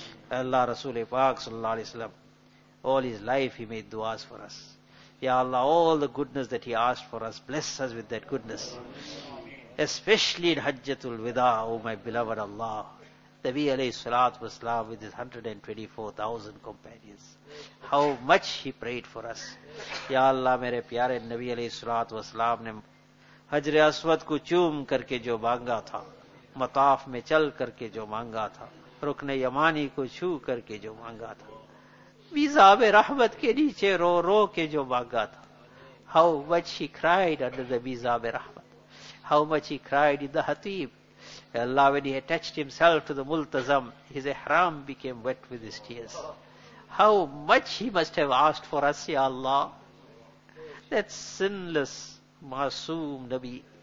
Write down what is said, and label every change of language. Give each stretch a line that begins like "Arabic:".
English: Allah Rasool Pak sallallahu alaihi wasallam, all his life he made duas for us. Ya Allah, all the goodness that he asked for us, bless us with that goodness. Especially in Hajjatul Wida, oh my beloved Allah. Nabi alayhi salatu wasalam with his 124,000 companions. How much he prayed for us.
Urdu: Ya Allah, mere pyare Nabi alayhi salatu wasalam ne Hajre Aswad ko chum karke jo banga tha, مطاف میں چل کر کے جو مانگا تھا, رکن یمانی کو چھو کر کے جو مانگا تھا, میزاب رحمت کے نیچے رو رو کے جو مانگا تھا.
English: How much he cried under the میزاب رحمت. How much he cried in the حتیب. Allah, when he attached himself to the ملتزم, his احرام became wet with his tears. How much he must have asked for us, Ya Allah. That sinless, معصوم نبی.